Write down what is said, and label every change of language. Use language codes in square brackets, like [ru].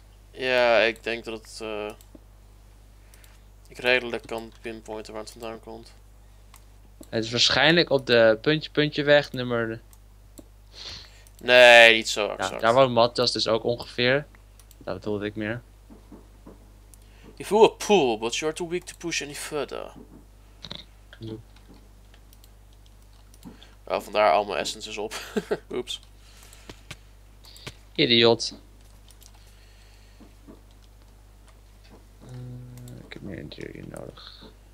[nl] Ja, ik denk dat het... ik redelijk kan pinpointen waar het vandaan komt. Het is waarschijnlijk op de puntje weg, nummer... Nee, niet zo exact. Ja, daar waar Mattas dus ook ongeveer... Dat bedoelde ik meer. [en] You threw a pool, but you are too weak to push any further. [nl] Wel, vandaar al mijn essences op. Oeps. [en] Idiot. [nl] Ik heb meer interieur nodig.